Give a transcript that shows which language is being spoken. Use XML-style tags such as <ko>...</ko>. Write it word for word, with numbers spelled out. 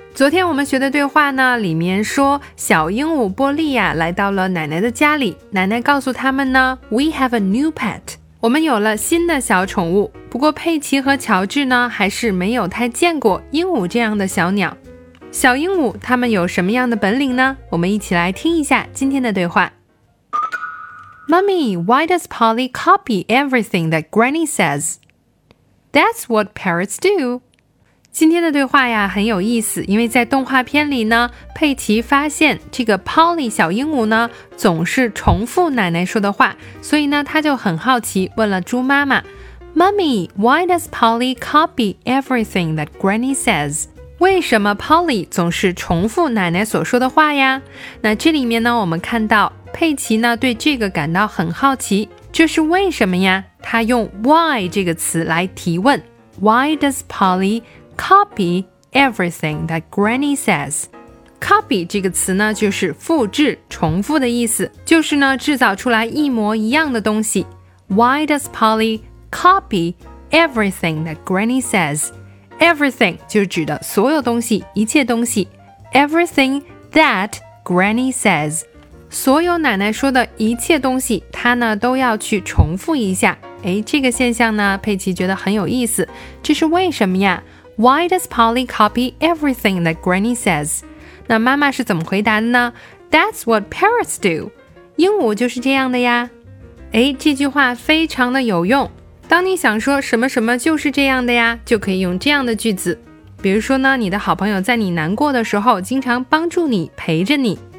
<zh>昨天我们学的对话呢，里面说小鹦鹉波利呀、啊、来到了奶奶的家里，奶奶告诉他们呢</zh> <en>We have a new pet，</en> <zh>我们有了新的小宠物。不过佩奇和乔治呢，还是没有太见过鹦鹉这样的小鸟。小鹦鹉他们有什么样的本领呢？我们一起来听一下今天的对话。</zh> <en>Mummy, why does Polly copy everything that Granny says? That's what parrots do.</en> <zh>今天的对话呀很有意思，因为在动画片里呢，佩奇发现这个 Polly 小鹦鹉呢总是重复奶奶说的话，所以呢他就很好奇，问了猪妈妈</zh> <en>Mummy, why does Polly copy everything that Granny says?</en> <zh>为什么 Polly 总是重复奶奶所说的话呀？那这里面呢，我们看到佩奇呢对这个感到很好奇，这是为什么呀？他用 why 这个词来提问。</zh> <en>Why does Polly copy everything that Granny says?</en> <zh>Copy 这个词呢，就是复制、重复的意思，就是呢制造出来一模一样的东西。</zh> <en>Why does Polly copy everything that Granny says?</en> <zh>Everything 就是指的所有东西，一切东西。</zh> <en>Everything that Granny says，</en> <zh>所有奶奶说的一切东西，她呢都要去重复一下。诶，这个现象呢，佩奇觉得很有意思。这是为什么呀？</zh> <en>Why does Polly copy everything that Granny says？</en> <zh>那妈妈是怎么回答的呢？</zh> <en>That's what parrots do。</en> <zh>鹦鹉就是这样的呀。诶，这句话非常的有用。当你想说什么什么就是这样的呀，就可以用这样的句子。比如说呢，你的好朋友在你难过的时候经常帮助你，陪着你。</zh>